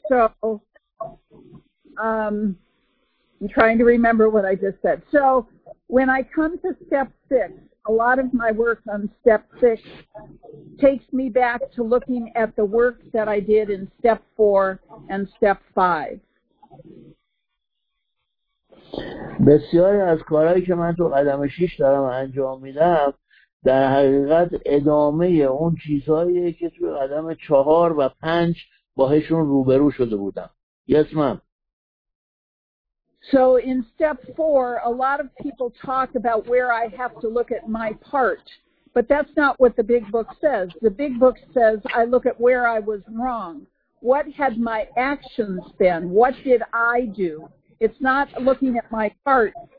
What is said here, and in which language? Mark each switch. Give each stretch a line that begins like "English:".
English: So, I'm trying to remember what I just said. So, when I come to step 6, a lot of my work on step 6 takes me back to looking at the work that I did in step 4 and step 5.
Persian: بسیاری از کارهایی که من تو قدم شیش دارم انجام میدم در حقیقت ادامه اون چیزهایی که تو قدم چهار و پنج باهشون روبرو شده بودم.
English: Yes, ma'am. So in step 4, a lot of people talk about where I have to look at my part, but that's not what the big book says. The big book says I look at where I was wrong. What had my actions been? What did I do? It's not looking at my part.